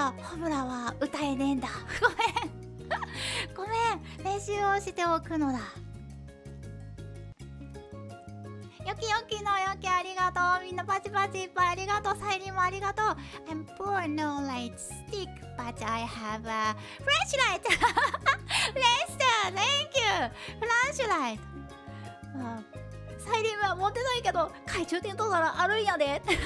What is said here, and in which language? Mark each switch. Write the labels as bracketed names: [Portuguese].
[Japanese] ホムラは歌えねえんだ。ごめんごめん、練習をしておくのだ。よきよきのよき、ありがとう。みんなパチパチいっぱいありがとう。サイリンもありがとう。 [English] I'm poor, no light stick, but I have a flashlight! Lester, thank you! Flashlight! [Japanese] サイリンは持ってないけど、懐中電灯ならあるんやで。